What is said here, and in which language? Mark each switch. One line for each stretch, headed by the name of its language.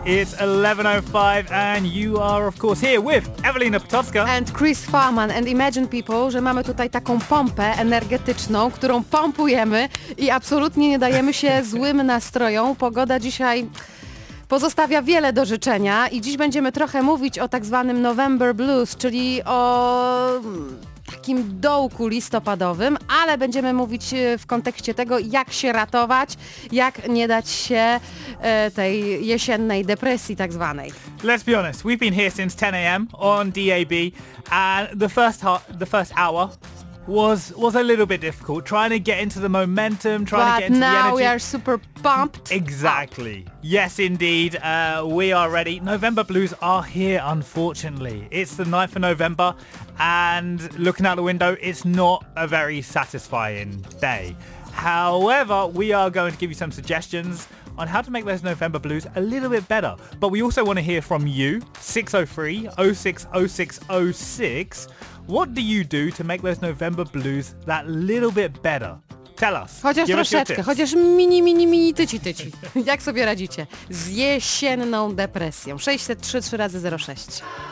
English: It's 11:05 and you are, of course, here with Ewelina Potocka. And Chris Farman. And imagine, people,
Polish: że mamy tutaj taką pompę energetyczną, którą pompujemy i absolutnie nie dajemy się złym nastrojom. Pogoda dzisiaj pozostawia wiele do życzenia i dziś będziemy trochę mówić o tak zwanym November Blues, czyli o takim dołku listopadowym, ale będziemy mówić w kontekście tego, jak się ratować, jak nie dać się tej jesiennej depresji tak zwanej.
English: Let's be honest, we've been here since 10 a.m. on DAB and the first hour was a little bit difficult, trying to get into the momentum, trying but to get into the energy. But now we are super pumped. Exactly. Yes, indeed. We are ready. November blues are here, unfortunately. It's the 9th of November, and looking out the window, it's not a very satisfying day. However, we are going to give you some suggestions on how to make those November blues a little bit better. But we also want to hear from you, 603-060606. What do you do to make those November blues that little bit better? Tell us.
Polish: Chociaż troszeczkę, chociaż mini tyci. Jak sobie radzicie z jesienną depresją? 603-3x06.